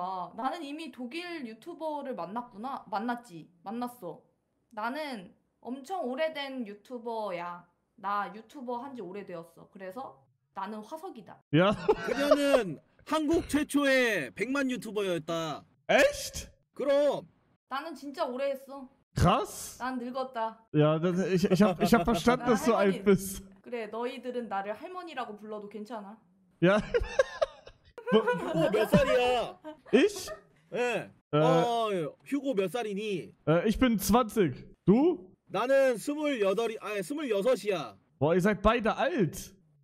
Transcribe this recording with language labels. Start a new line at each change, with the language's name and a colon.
Korean: 아, 나는 이미 독일 유튜버를 만났구나. 만났지. 만났어. 나는 엄청 오래된 유튜버야. 나 유튜버 한 지 오래되었어. 그래서 나는 화석이다. 야. 그녀는 한국 최초의 100만 유튜버였다. 에잇? 그럼. 나는 진짜 오래 했어. 크라스? 난 늙었다. 야, 난,
German: ich hab verstanden, dass du alt bist.
Korean: 그래, 너희들은 나를 할머니라고 불러도 괜찮아. 야. 휴고 몇 살이야?
German: Ich?
Korean: 예. 휴고 몇 살이니?
German: Ich bin 20. Du?
Korean: 나는 28이, 아, 26이야.
German: Boah, ihr seid beide alt.